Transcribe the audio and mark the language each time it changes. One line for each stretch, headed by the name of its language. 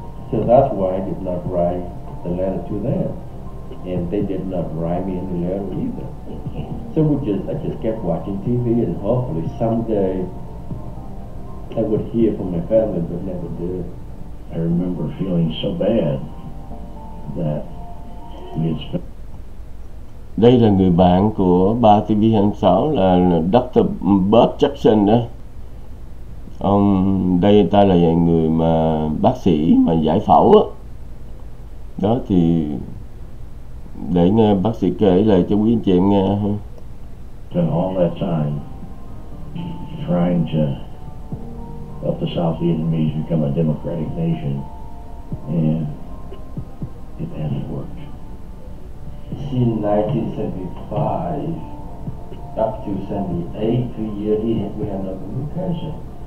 English: So that's why I did not write the letter to them. And they did not write me any letter either. So I just kept watching TV, and hopefully someday I would hear from my family, but never did. I remember feeling so bad that we had spent.
Vietnamese: Đây là người bạn của ba TV 26 là Dr. Bob Jackson đó. Ông đây ta là người mà bác sĩ mà giải phẫu đó. Đó thì để nghe bác sĩ kể lại cho quý anh chị em nghe ha.
English: Spent all that time trying to help the South Vietnamese become a democratic nation, and it hasn't worked. Since 1975 up to 78, 3 years, we had no communication.